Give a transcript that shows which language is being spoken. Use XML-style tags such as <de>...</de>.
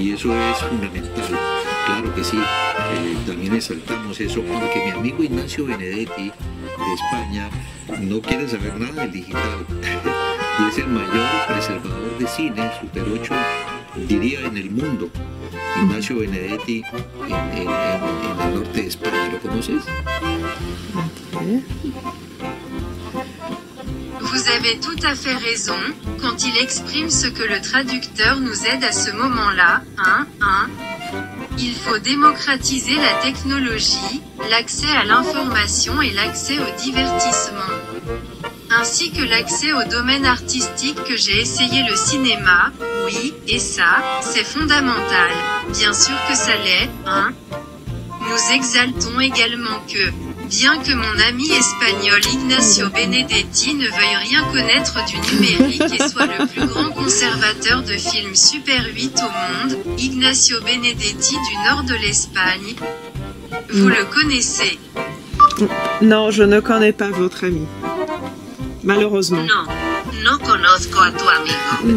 <es>Y eso es fundamental, claro que sí, también exaltamos eso, aunque mi amigo Ignacio Benedetti de España no quiere saber nada del digital y es el mayor preservador de cine, Super 8, diría, en el mundo. Ignacio Benedetti en el norte de España, ¿lo conoces?</es> <fr>Vous avez tout à fait raison, quand il exprime ce que le traducteur nous aide à ce moment-là, hein. Il faut démocratiser la technologie, l'accès à l'information et l'accès au divertissement. Ainsi que l'accès au domaine artistique que j'ai essayé le cinéma, oui, et ça, c'est fondamental. Bien sûr que ça l'est, hein. Nous exaltons également que, bien que mon ami espagnol Ignacio Benedetti ne veuille rien connaître du numérique et soit le plus grand conservateur de films Super 8 au monde, Ignacio Benedetti du nord de l'Espagne, vous le connaissez. Non, je ne connais pas votre ami. Malheureusement.</fr> <es>Non, no conozco a tu amigo.</es>